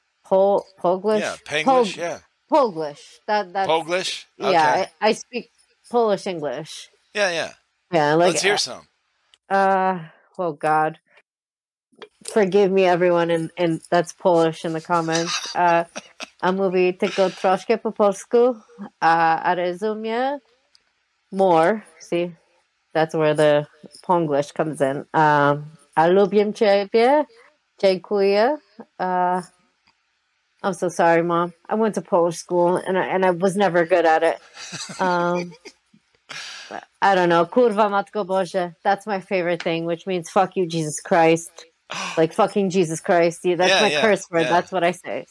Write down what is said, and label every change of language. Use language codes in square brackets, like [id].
[en] Yeah, Panglish, Polglish. That's Polglish? Okay. Yeah, I speak Polish English. Yeah, yeah. Yeah, like, let's hear some. Oh God. Forgive me, everyone, and that's Polish in the comments. [pl] mówi tylko troszkę po polsku, a rozumie [en] more. See, that's where the Ponglish comes in. [pl] A lubię ciebie, dziękuję. [en] I'm so sorry, Mom. I went to Polish school, and I was never good at it. I don't know. [pl] Kurwa matko Boże. [en] That's my favorite thing, which means fuck you, Jesus Christ. Like fucking Jesus Christ. Yeah, that's my curse word. Yeah. That's what I say.